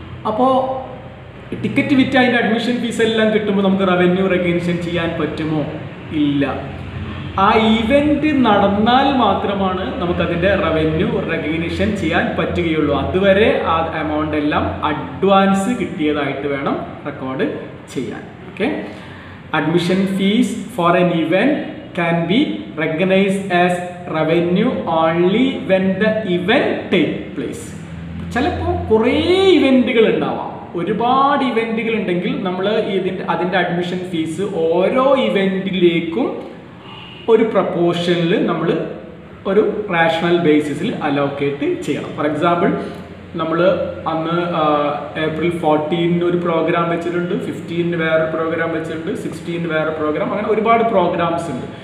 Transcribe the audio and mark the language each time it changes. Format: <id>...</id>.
<ml>അപ്പോൾ ടിക്കറ്റ് വിറ്റ് അതിൻ്റെ അഡ്മിഷൻ ഫീസ് എല്ലാം കിട്ടുമ്പോൾ നമുക്ക് റവന്യൂ റെക്കഗ്നിഷൻ ചെയ്യാൻ പറ്റുമോ? ഇല്ല. ആ ഇവൻ്റ് നടന്നാൽ മാത്രമാണ് നമുക്കതിൻ്റെ റവന്യൂ റെക്കഗ്നിഷൻ ചെയ്യാൻ പറ്റുകയുള്ളൂ. അതുവരെ ആ എമൗണ്ട് എല്ലാം അഡ്വാൻസ് കിട്ടിയതായിട്ട് വേണം റെക്കോർഡ് ചെയ്യാൻ.</ml> <en>Okay, admission fees for an event can be recognized as revenue only when the event take place.</en> <ml>ചിലപ്പോൾ കുറേ ഇവൻറ്റുകൾ ഉണ്ടാവാം, ഒരുപാട് ഇവൻറ്റുകൾ ഉണ്ടെങ്കിൽ നമ്മൾ ഇതിൻ്റെ അതിൻ്റെ അഡ്മിഷൻ ഫീസ് ഓരോ ഇവൻറ്റിലേക്കും ഒരു പ്രപ്പോർഷനിൽ നമ്മൾ ഒരു റാഷണൽ ബേസിസിൽ അലോക്കേറ്റ് ചെയ്യണം. ഫോർ എക്സാമ്പിൾ നമ്മൾ അന്ന് ഏപ്രിൽ 14th ഒരു പ്രോഗ്രാം വെച്ചിട്ടുണ്ട്, 15th വേറെ പ്രോഗ്രാം വെച്ചിട്ടുണ്ട്, 16th വേറെ പ്രോഗ്രാം, അങ്ങനെ ഒരുപാട് പ്രോഗ്രാംസ് ഉണ്ട്.</ml>